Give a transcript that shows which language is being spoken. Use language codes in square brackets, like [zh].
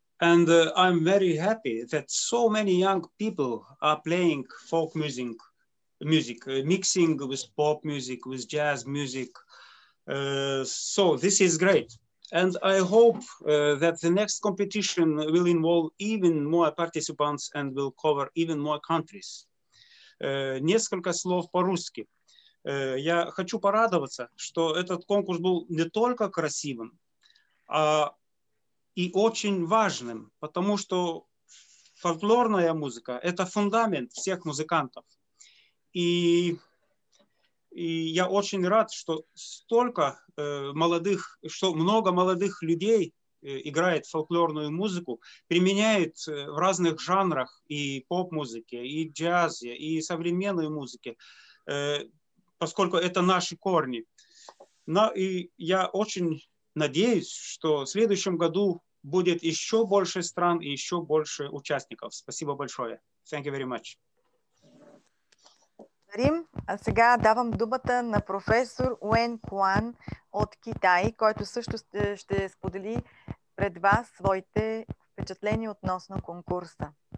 [en] And I'm very happy that so many young people are playing folk music. Music, mixing with pop music, with jazz music. So this is great. And I hope that the next competition will involve even more participants and will cover even more countries. [ru] Несколько слов по-русски. Я хочу порадоваться, что этот конкурс был не только красивым, а и очень важным, потому что фольклорная музыка – это фундамент всех музыкантов. И я очень рад, что столько молодых, что много молодых людей играет фольклорную музыку, применяет в разных жанрах и поп-музыке, и джазе, и современной музыке, поскольку это наши корни. Но и я очень надеюсь, что в следующем году будет еще больше стран и еще больше участников. Спасибо большое. [en] Thank you very much. [bg] А сега давам думата на професор Уен Куан от Китай, който също ще сподели пред вас своите впечатления относно конкурса.